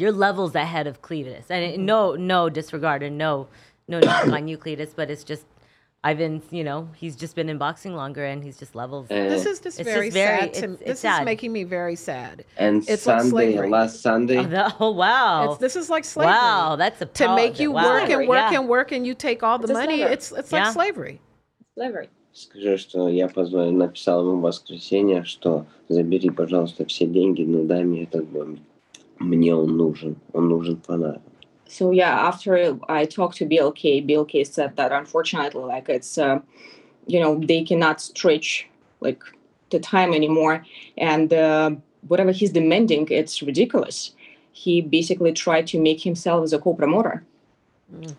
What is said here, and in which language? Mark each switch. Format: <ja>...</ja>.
<en>Your level's ahead of Cletus. And no disregard and no knock on you, Cletus, but it's just Ivan's, you know, he's just been in boxing longer and he's just levels. This is making me very sad. And it's Sunday, like last Sunday. Oh, wow. This is like slavery. Wow, that's a problem. To make you work and work and work and you take all the money, it's like slavery. Slavery.</en> <ru>Скажи, что я позвонил, написал ему в воскресенье, что забери, пожалуйста, все деньги, но дай мне этот бой. Мне он нужен фонарь.</ru> <en>So yeah, after I talked to BLK, BLK said that unfortunately, like it's, you know, they cannot stretch like the time anymore. And whatever he's demanding, it's ridiculous. He basically tried to make himself as a co-promoter. Mm.</en>